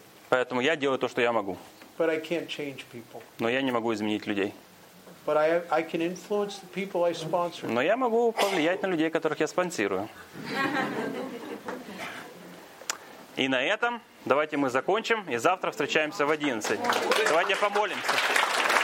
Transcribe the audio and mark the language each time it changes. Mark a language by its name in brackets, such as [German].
[Russian] Поэтому я делаю то, что я могу. [English] But I can't change people. [Russian] Но я не могу изменить людей. [English] But I can influence the people I sponsor. [Russian] Но я могу повлиять на людей, которых я спонсирую. И на этом давайте мы закончим, и завтра встречаемся в 11. Давайте помолимся.